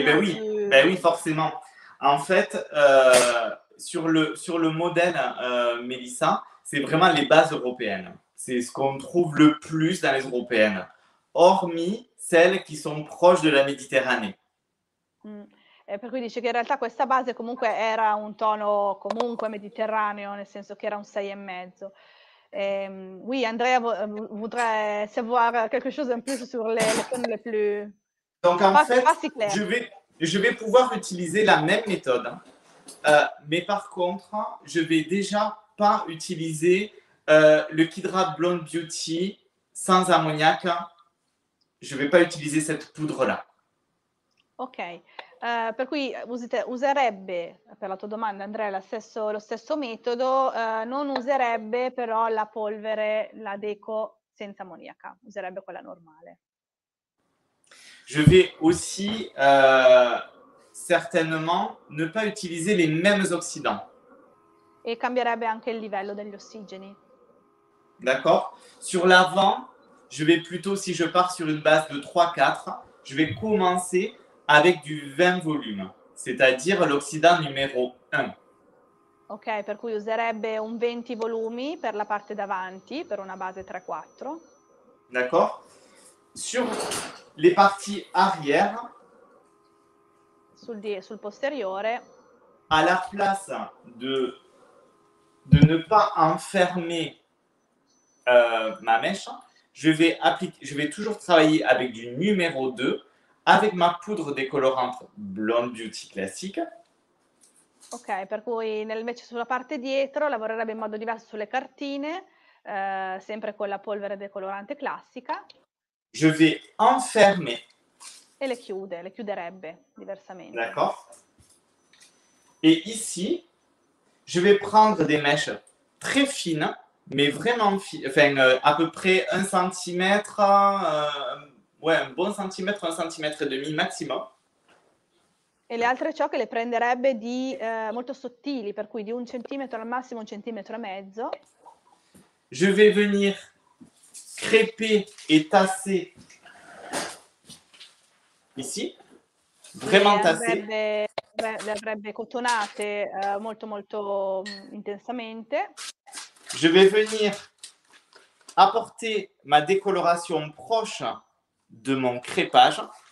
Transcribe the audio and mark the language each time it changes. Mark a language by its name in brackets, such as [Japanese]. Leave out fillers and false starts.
[French] Eh bien oui, plus... ben oui, forcément. En fait, sur le modèle Mélissa, c'est vraiment les bases européennes. C'est ce qu'on trouve le plus dans les européennes. Hormis celles qui sont proches de la Méditerranée. [Italian] Et per cui dice che in realtà questa base comunque era un tono comunque mediterraneo, nel senso che era un 6,5. [French] Oui, Andrea voudrait savoir quelque chose en plus sur les tones les plus. Donc en fait, je vais pouvoir utiliser la même méthode. Mais par contre, je vais déjà pas utiliser le Kidra Blonde Beauty sans ammoniac. Je vais pas utiliser cette poudre là. [Italian] Ok, per cui userebbe, per la tua domanda Andrea, lo stesso metodo, non userebbe però la polvere, la deco senza ammoniaca, userebbe quella normale. [French] Je vais aussi certainement ne pas utiliser les mêmes oxydants. [Italian] E cambierebbe anche il livello degli ossigeni. [French] D'accord. Sur l'avant, je vais plutôt, si je pars sur une base de 3-4, je vais commencer avec du 20 volume, c'est-à-dire l'oxydant numéro 1. [Italian] Ok, per cui userebbe un 20 volumi per la parte davanti, per una base 3-4. [French] D'accord. Sur les parties arrière, [Italian] sul posteriore, [French] à la place de ne pas enfermer ma mèche, je vais toujours travailler avec du numéro 2, avec ma poudre décolorante Blonde Beauty classique. [Italian] Ok, per cui invece sulla parte dietro lavorerebbe in modo diverso sulle cartine, sempre con la polvere decolorante classica. [French] Je vais enfermer. [Italian] E le chiuderebbe diversamente. [French] D'accord. Et ici, je vais prendre des mèches très fines, mais vraiment fines, enfin à peu près un centimètre, un bon centimètre, un centimètre et demi maximum. [Italian] E le altre ciocche le prenderebbe di molto sottili, per cui di un centimetro al massimo, un centimetro e mezzo. [French] Je vais venir crêper et tasser ici, vraiment tasser. [Italian] Le avrebbe cotonate molto molto intensamente. [French] Je vais venir apporter ma décoloration proche de mon crépage.